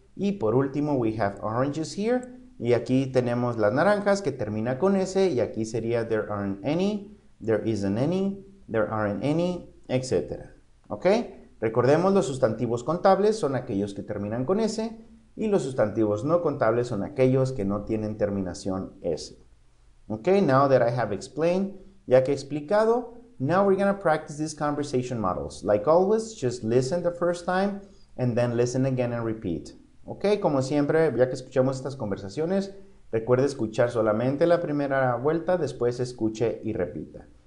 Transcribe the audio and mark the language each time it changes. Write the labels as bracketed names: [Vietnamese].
[Spanish] Y por último, [English] we have oranges here. [Spanish] Y aquí tenemos las naranjas que termina con S y aquí sería [English] there aren't any, there isn't any, there aren't any, etc. [Spanish] ¿Ok? Recordemos, los sustantivos contables son aquellos que terminan con S y los sustantivos no contables son aquellos que no tienen terminación S. ¿Ok? [English] Now that I have explained, [Spanish] ya que he explicado, [English] now we're going to practice these conversation models. Like always, just listen the first time and then listen again and repeat. [Spanish] Ok, como siempre, ya que escuchamos estas conversaciones, recuerde escuchar solamente la primera vuelta, después escuche y repita.